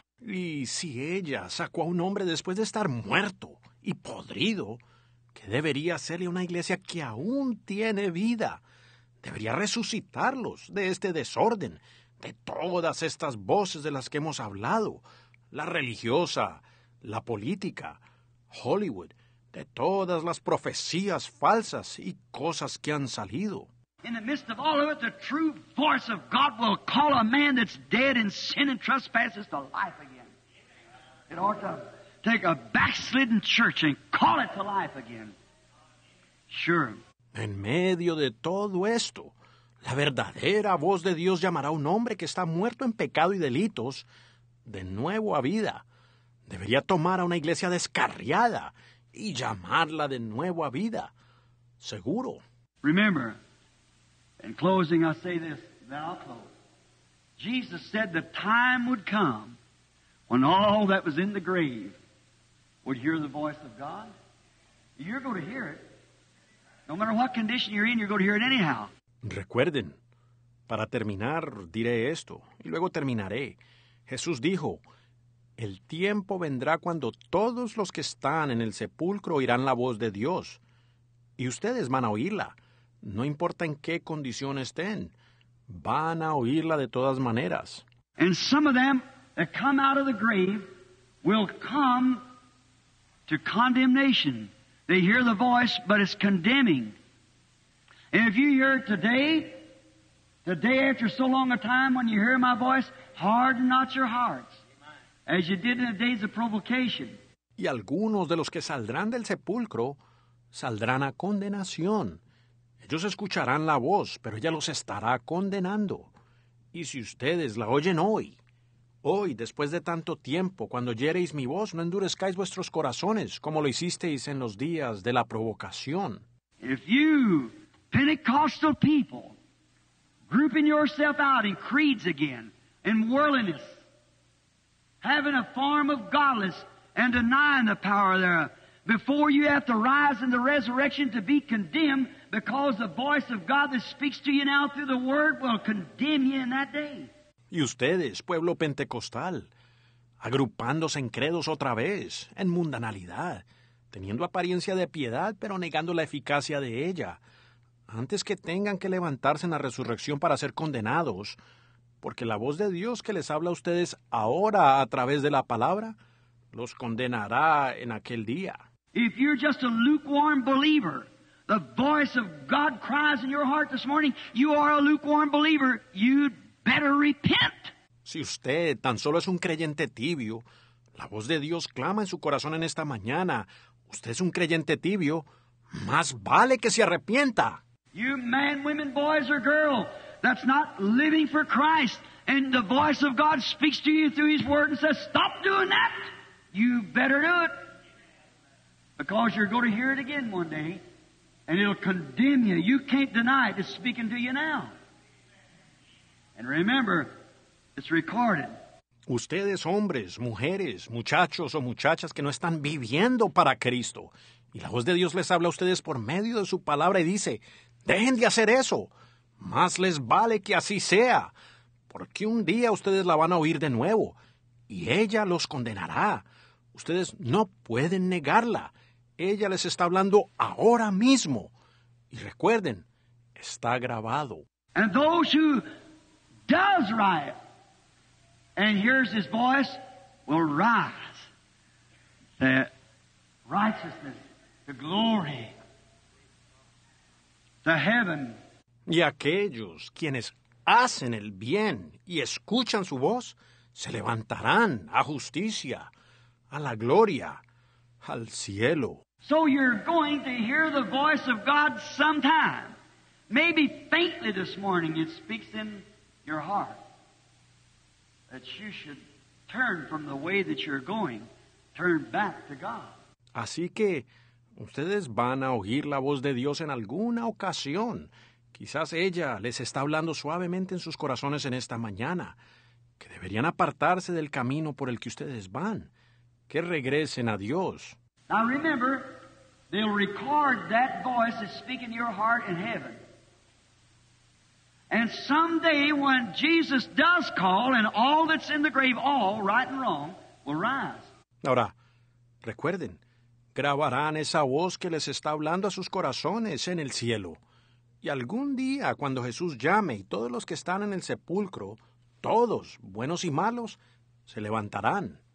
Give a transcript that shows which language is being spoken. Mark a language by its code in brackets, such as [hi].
[es] Y si ella sacó a un hombre después de estar muerto y podrido, ¿qué debería hacerle a una iglesia que aún tiene vida? Debería resucitarlos de este desorden, de todas estas voces de las que hemos hablado, la religiosa, la política, Hollywood, de todas las profecías falsas y cosas que han salido. [en] In the midst of all of it, the true voice of God will call a man that's dead in sin and trespasses to life again. It ought to take a backslidden church and call it to life again. Sure. [es] En medio de todo esto, la verdadera voz de Dios llamará a un hombre que está muerto en pecado y delitos de nuevo a vida. Debería tomar a una iglesia descarriada y llamarla de nuevo a vida. Seguro. [en] Remember, in closing, I say this, then I'll close. Jesus said the time would come when all that was in the grave would hear the voice of God. You're going to hear it. No matter what condition you're in, you're going to hear it anyhow. [es] Recuerden, para terminar, diré esto, y luego terminaré. Jesús dijo, el tiempo vendrá cuando todos los que están en el sepulcro oirán la voz de Dios, y ustedes van a oírla. No importa en qué condición estén, van a oírla de todas maneras. [en] And some of them that come out of the grave will come to condemnation. They hear the voice, but it's condemning. And if you hear it today, the day after so long a time when you hear my voice, harden not your hearts, as you did in the days of provocation. [es] Y algunos de los que saldrán del sepulcro saldrán a condenación. Ellos escucharán la voz, pero ella los estará condenando. Y si ustedes la oyen hoy, después de tanto tiempo, cuando oyereis mi voz, no endurezcáis vuestros corazones, como lo hicisteis en los días de la provocación. [en] If you, Pentecostal people, grouping yourself out in creeds again, in worldliness, having a form of godliness and denying the power thereof, before you have to rise in the resurrection to be condemned, because the voice of God that speaks to you now through the Word will condemn you in that day. [es] Y ustedes, pueblo pentecostal, agrupándose en credos otra vez, en mundanalidad, teniendo apariencia de piedad, pero negando la eficacia de ella, antes que tengan que levantarse en la resurrección para ser condenados, porque la voz de Dios que les habla a ustedes ahora a través de la palabra los condenará en aquel día. [en] If you're just a lukewarm believer, the voice of God cries in your heart this morning, you are a lukewarm believer, you'd better repent. [es] Si usted tan solo es un creyente tibio, la voz de Dios clama en su corazón en esta mañana, usted es un creyente tibio, más vale que se arrepienta. [en] You man, women, boys, or girl, that's not living for Christ, and the voice of God speaks to you through His Word and says, stop doing that. You better do it, because you're going to hear it again one day, and it'll condemn you. You can't deny it. It's speaking to you now. And remember, it's recorded. [es] Ustedes, hombres, mujeres, muchachos o muchachas que no están viviendo para Cristo, y la voz de Dios les habla a ustedes por medio de su palabra y dice, dejen de hacer eso. Más les vale que así sea, porque un día ustedes la van a oír de nuevo, y ella los condenará. Ustedes no pueden negarla. Ella les está hablando ahora mismo. Y recuerden, está grabado. [en] And those who does riot and hears his voice will rise. The righteousness, the glory, the heaven. [es] Y aquellos quienes hacen el bien y escuchan su voz se levantarán a justicia, a la gloria, al cielo. [en] So you're going to hear the voice of God sometime. Maybe faintly this morning it speaks in your heart that you should turn from the way that you're going, turn back to God. [es] Así que ustedes van a oír la voz de Dios en alguna ocasión. Quizás ella les está hablando suavemente en sus corazones en esta mañana, que deberían apartarse del camino por el que ustedes van, que regresen a Dios. [en] Now remember, They'll record that voice that's speaking to your heart in heaven. And someday when Jesus does call and all that's in the grave, all right and wrong, will rise. [es] Ahora, recuerden, grabarán esa voz que les está hablando a sus corazones en el cielo. Y algún día, cuando Jesús llame y todos los que están en el sepulcro, todos, buenos y malos, se levantarán.